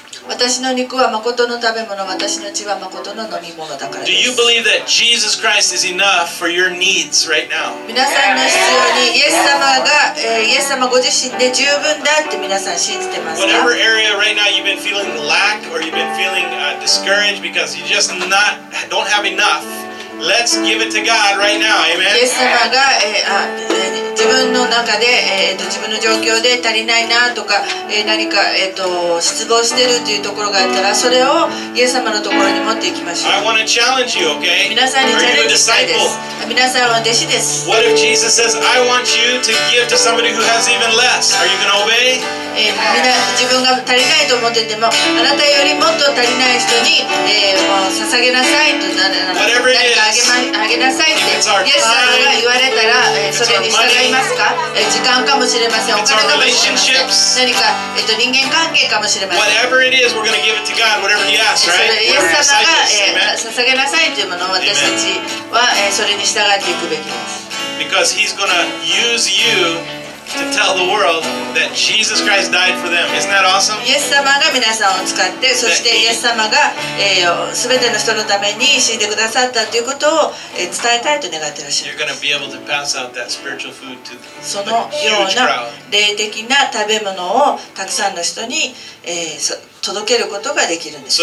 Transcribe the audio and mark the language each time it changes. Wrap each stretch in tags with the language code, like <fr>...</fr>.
<ja>私の肉は誠の食べ物、私の血は誠の飲み物だからです。</ja> <en>Do you believe that Jesus Christ is enough for your needs right now?</en> <ja>皆さんの必要にイエス様が、イエス様ご自身で十分だって皆さん信じてますか?</ja> <en>Whatever area right now you've been feeling lack or you've been feeling discouraged because you just not don't have enough, let's give it to God right now, amen?</en> <ja>イエス様が、自分の中で、自分の状況で足りないなとか、何か、失望してるというところがあったらそれをイエス様のところに持っていきましょう。</ja> <en>I want to challenge you, okay?</en> <ja>皆さんにチャレンジしたいです。皆さんは弟子です。</ja> <en>What if Jesus says, I want you to give to somebody who has even less? Are you going to obey?</en> <ja>自分が足りないと思っててもあなたよりもっと足りない人に、もう捧げなさいと</ja> <en>Whatever it is,</en> <ja>誰かあげなさいってイエス様が言われたらそれに従いますか時間かもしれませんお金かもしれません何か、人間関係かもしれません</ja> <en>Whatever it is, we're going to give it to God, whatever he asks, right?</en> <ja>イエス様が、捧げなさいというものを私たちは、それに従っていくべきです</ja> <en>Because he's going to use youTo tell the world that Jesus Christ died for them. Isn't that awesome?</en> <ja>イエス様が皆さんを使って、そしてイエス様が、すべての人のために死んでくださったということを、伝えたいと願ってらっしゃいます。</ja> <en>You're going to be able to pass out that spiritual food to the huge crowd.</en> <ja>そのような霊的な食べ物をたくさんの人に、届けることができるんです。</ja>